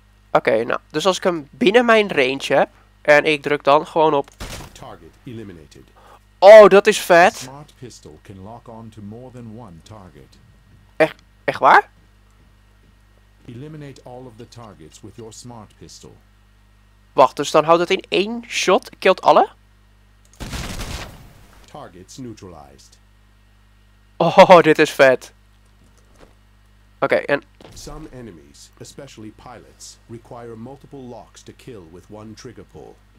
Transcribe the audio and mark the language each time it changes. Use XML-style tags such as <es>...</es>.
<nl>Oké, okay, nou, dus als ik hem binnen mijn range heb en ik druk dan gewoon op.</nl> <en>Target eliminated.</en> <nl>Oh, dat is vet.</nl> <en>Smart pistol can lock on to more than one target.</en> <nl>Echt waar?</nl> <en>Eliminate all of the targets with your smart pistol.</en> <nl>Wacht, dus dan houdt het in één shot, killt alle?</nl> <en>Targets neutralized.</en> <nl>Oh, dit is vet. Oké, en</nl> <en>some enemies, especially pilots, require multiple locks to kill with one trigger pull.</en>